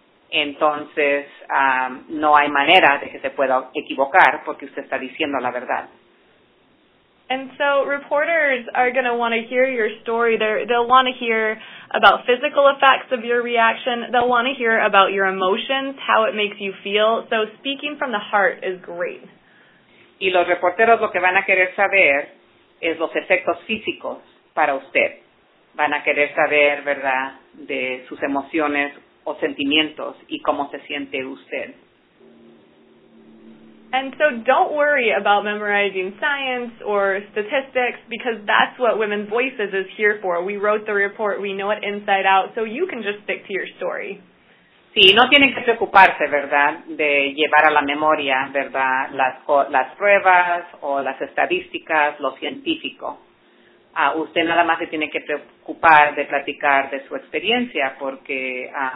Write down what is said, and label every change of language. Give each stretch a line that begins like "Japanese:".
Spanish: Entonces, no hay manera de que se pueda equivocar porque usted está diciendo la verdad.
English: And so reporters are going to want to hear your story. They'll want to hear about physical effects of your reaction. They'll want to hear about your emotions, how it makes you feel. So speaking from the heart is great.
Spanish: Y los reporteros lo que van a querer saber es los efectos físicos para usted. Van a querer saber, ¿verdad?, de sus emociones o sentimientos y cómo se siente usted.
English: And so don't worry about memorizing science or statistics because that's what Women's Voices is here for. We wrote the report. We know it inside out. So you can just stick to your story.
Spanish: Sí, no tienen que preocuparse, ¿verdad?, de llevar a la memoria, ¿verdad?, las pruebas o las estadísticas, lo científico. Usted nada más se tiene que preocupar de platicar de su experiencia porque...